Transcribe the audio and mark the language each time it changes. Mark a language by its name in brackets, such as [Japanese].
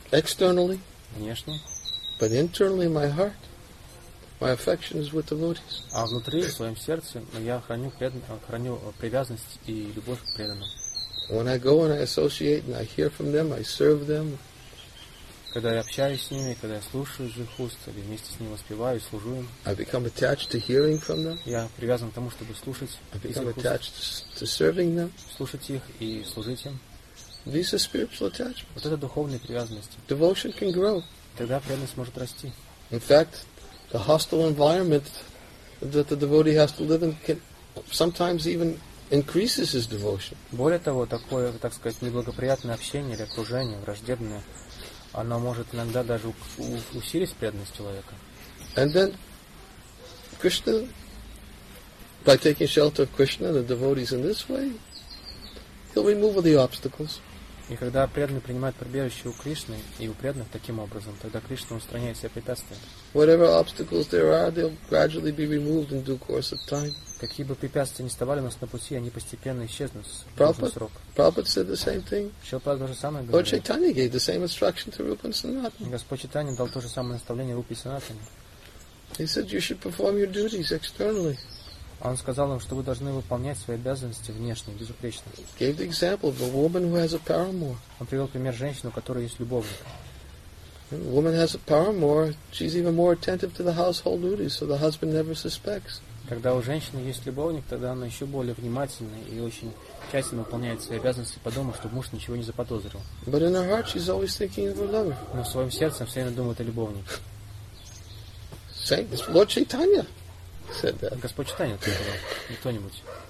[English] Externally. [Russian] Внешне. [English] But internally, my heart, my affection is with devotees. [Russian] А внутри, в своем сердце, я храню привязанность и любовь к преданным. [English] When I go and I associate and I hear from them, I serve them. [Russian] Когда я общаюсь с ними, когда я слушаю из их уст, или вместе с ними воспеваю и служу им, [English] I become attached to hearing from them. [Russian] Я привязан к тому, чтобы слушать. [English] I become attached to serving them. [Russian] Слушать их и служить им. [English] These are spiritual attachments. [Russian] Вот это духовные привязанности. [English] Devotion can grow. [Russian] Тогда преданность может расти. [English] In fact, the hostile environment that the devotee has to live in can sometimes even increases his devotion. [Russian] Более того, такое, так сказать, неблагоприятное общение или окружение, враждебное, оно может иногда даже усилить преданность человека. [English] And then Krishna, by taking shelter of Krishna, the devotees in this way, he'll remove the obstacles. [Russian] И когда преданный принимает прибежище у Кришны и у преданных таким образом, тогда Кришна устраняет все препятствия. [English] Whatever obstacles there are, they'll gradually be removed in due course of time. [Russian] Какие бы препятствия ни вставали у нас на пути, они постепенно исчезнут в [English] Prabhupada, [Russian] нужный срок. [English] Prabhupada said the same thing. [Russian] Шилпад тоже самое говорит. [English] Lord Chaitanya gave the same instruction to Rupa and Sanatana. [Russian] Господь Чайтанья дал то же самое наставление Рупе и Санатане. [English] He said you should perform your duties externally. [Russian] Он сказал им, что вы должны выполнять свои обязанности внешне, безупречно. [English] Gave the example of a woman who has a paramour. [Russian] Он привел пример женщины, у которой есть любовник. [English] Woman has a paramour, she's even more attentive to the household duties, so the husband never suspects. [Russian] Когда у женщины есть любовник, тогда она еще более внимательна и очень тщательно выполняет свои обязанности по дому, чтобы муж ничего не заподозрил. [English] But in her heart, she's always thinking of her lover. [Russian] Но в своем сердце она все время думает о любовнике. [English] Saying this, Lord Chaitanya said that. [Russian] Господь Чайтанья это сказал, не кто-нибудь.